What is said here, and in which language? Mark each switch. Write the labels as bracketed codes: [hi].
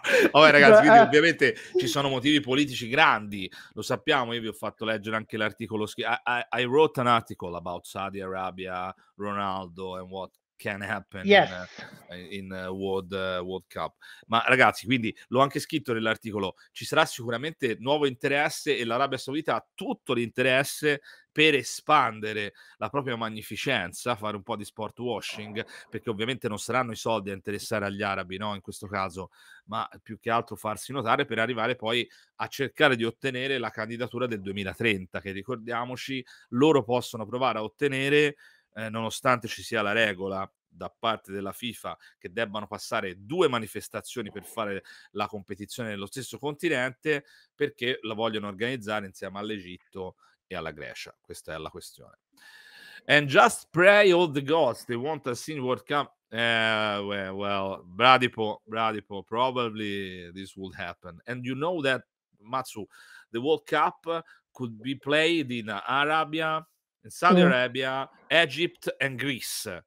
[it] Vabbè, ragazzi, quindi ovviamente ci sono motivi politici grandi, lo sappiamo. Io vi ho fatto leggere anche l'articolo. [en] I wrote an article about Saudi Arabia, Ronaldo and what can happen in World Cup. [it] Ma ragazzi, quindi l'ho anche scritto nell'articolo, ci sarà sicuramente nuovo interesse e l'Arabia Saudita ha tutto l'interesse per espandere la propria magnificenza, fare un po' di sport washing, perché ovviamente non saranno i soldi a interessare agli arabi, no, in questo caso, ma più che altro farsi notare per arrivare poi a cercare di ottenere la candidatura del 2030, che ricordiamoci loro possono provare a ottenere nonostante ci sia la regola da parte della FIFA che debbano passare due manifestazioni per fare la competizione nello stesso continente, perché la vogliono organizzare insieme all'Egitto e alla Grecia. Questa è la questione. [en] And just pray all the gods they want us in World Cup. Well, Bradipo, probably this would happen. And you know that, Matsu, the World Cup could be played in Arabia, in Saudi Arabia, Egypt and Greece.